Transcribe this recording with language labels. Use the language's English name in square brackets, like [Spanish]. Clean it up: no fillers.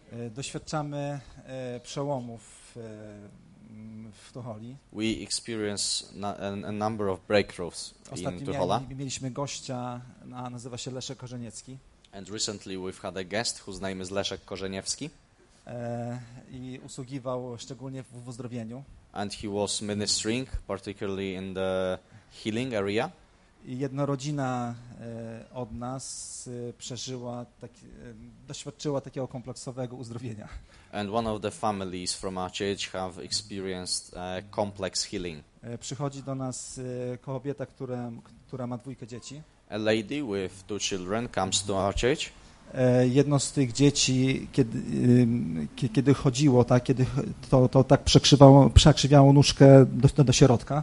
[Polish] Doświadczamy przełomów w Tucholi. [English] We experience a number of breakthroughs [Polish] ostatnio [English] in Tuchola. [Polish] Mieliśmy gościa, nazywa się Leszek Korzeniecki. [English] And recently we've had a guest whose name is Leszek Korzeniewski. [Polish] I usługiwał szczególnie w uzdrowieniu. [English] And he was ministering, particularly in the healing area. [Polish] I jedna rodzina od nas przeżyła, doświadczyła takiego kompleksowego uzdrowienia. [English] And one of the families from our church have experienced complex healing. [Polish] Przychodzi do nas kobieta, która ma dwójkę dzieci. [English] A lady with two children comes to our church. [Polish] jedno z tych dzieci, kiedy chodziło, tak, kiedy to tak przekrzywiało nóżkę do środka.